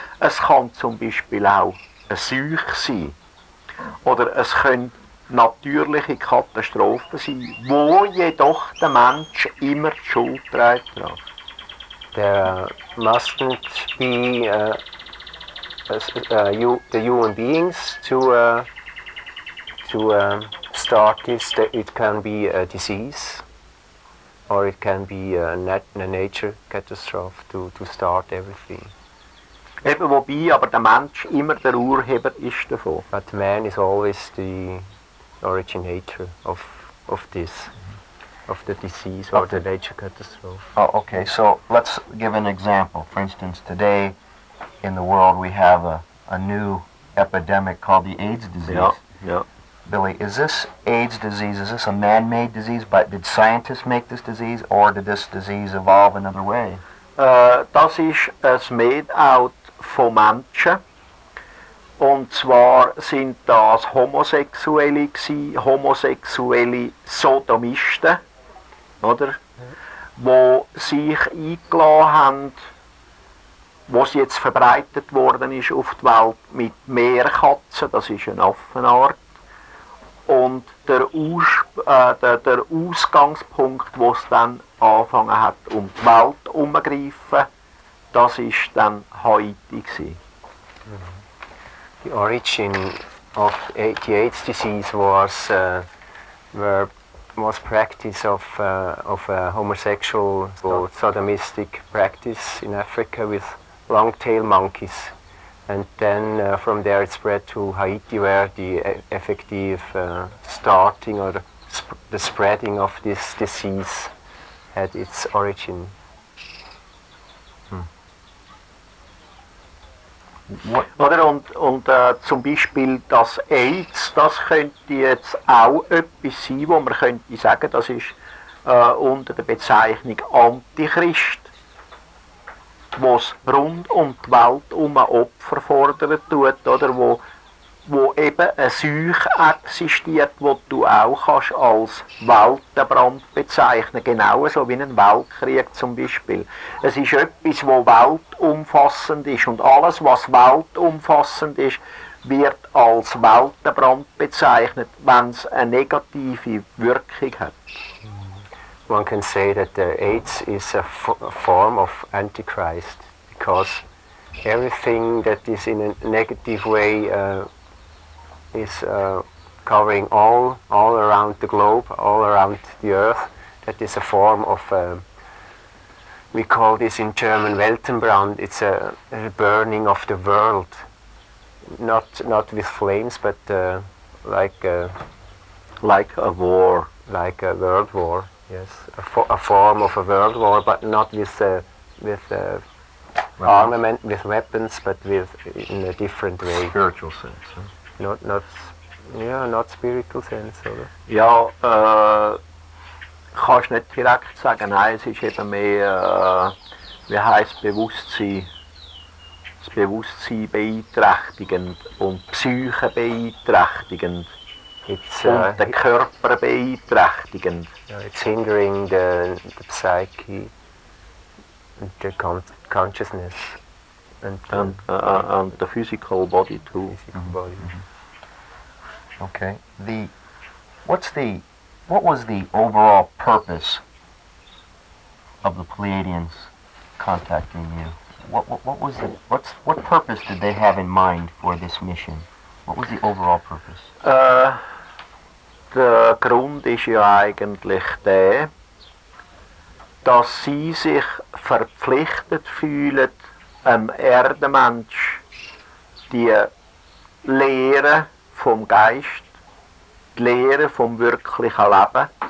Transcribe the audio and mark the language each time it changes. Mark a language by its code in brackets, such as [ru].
[de] Es kann zum Beispiel auch eine Seuche sein. Oder es können natürliche Katastrophen sein, wo jedoch der Mensch immer die Schuld trägt. [en] There mustn't be the human beings to start this. It can be a disease, or it can be a nature catastrophe to start everything. [de] Eben, wobei aber der Mensch immer der Urheber ist davon. [en] But man is always the originator of this. Of the disease or the nature catastrophe. Oh, okay, so let's give an example. For instance, today in the world we have a new epidemic called the AIDS disease. Yeah, yeah. Billy, is this AIDS disease, is this a man-made disease, but did scientists make this disease, or did this disease evolve another way? [de] Das ist es [en] made out [de] von Menschen. Und zwar sind das Homosexuelle gsi, homosexuelle Sodomisten. Oder? Ja. Wo sich eingelassen haben, was jetzt verbreitet worden ist auf die Welt mit Meerkatzen, das ist eine Affenart. Und der Ausgangspunkt, wo es dann angefangen hat, um die Welt herumzugreifen, das ist dann Haiti gsi. [en] The origin of the AIDS disease was was practice of a homosexual or sodomistic practice in Africa with long tail monkeys, and then from there it spread to Haiti, where the effective starting or the spreading of this disease had its origin. [de] Oder und zum Beispiel das AIDS, das könnte jetzt auch etwas sein, wo man könnte sagen, das ist unter der Bezeichnung Antichrist, wo es rund um die Welt um ein Opfer fordert tut, oder wo eben eine Seuche existiert, wo du auch kannst als Weltenbrand bezeichnen, genauso wie ein Weltkrieg zum Beispiel. Es ist etwas, wo weltumfassend ist, und alles, was weltumfassend ist, wird als Weltenbrand bezeichnet, wenn es eine negative Wirkung hat. [en] One can say that the AIDS is a form of Antichrist, because everything that is in a negative way is covering all around the globe, all around the earth. That is a form of, we call this in German Weltenbrand, it's a burning of the world. Not with flames, but like a war. Like a world war, yes. A form of a world war, but not with armament, with weapons, but with in a different way. Spiritual sense, huh? Not spiritual sense, [de] oder? Ja, kannst nicht direkt sagen, nein, es ist eben mehr, wie heisst Bewusstsein? Das Bewusstsein beeinträchtigend und Psyche beeinträchtigend. Und den Körper beeinträchtigend. [en] Yeah, it's hindering the psyche and the consciousness. And the physical body too. Physical body. Mm-hmm. Okay. What was the overall purpose of the Pleiadians contacting you? What purpose did they have in mind for this mission? What was the overall purpose? [de] Der Grund ist ja eigentlich der, dass sie sich verpflichtet fühlen, einem Erdenmensch die Lehre vom Geist, die Lehre vom wirklichen Leben